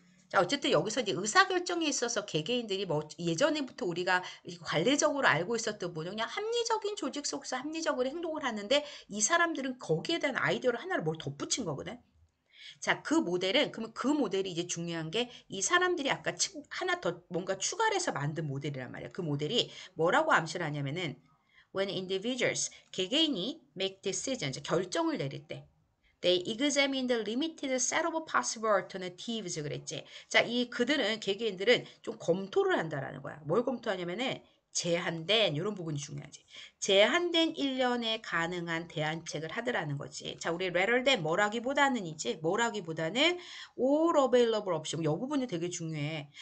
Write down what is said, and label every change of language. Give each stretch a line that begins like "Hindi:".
Korean: 자, 어쨌든 여기서 이제 의사결정에 있어서 개개인들이 뭐 예전부터 우리가 관례적으로 알고 있었던 분은 그냥 합리적인 조직 속에서 합리적으로 행동을 하는데 이 사람들은 거기에 대한 아이디어를 하나를 뭘 덧붙인 거거든. 자, 그 모델은 그러면 그 모델이 이제 중요한 게이 사람들이 아까 하나 더 뭔가 추가를 해서 만든 모델이란 말이야.
English: 그 모델이 뭐라고 암시를 하냐면은 when individuals
Korean: 개개인이
English: make decisions
Korean: 결정을 내릴 때
English: They examine the limited set of possible alternatives
Korean: 그랬지. 자, 이 그들은 개개인들은 좀 검토를 한다라는 거야. 뭘 검토하냐면은 제한된 이런 부분이 중요하지. 제한된 일련의 가능한 대안책을 하더라는 거지. 자, 우리
English: rather than
Korean: 뭐라기보다는 이제 뭐라기보다는
English: all available option.
Korean: 이 부분이 되게 중요해.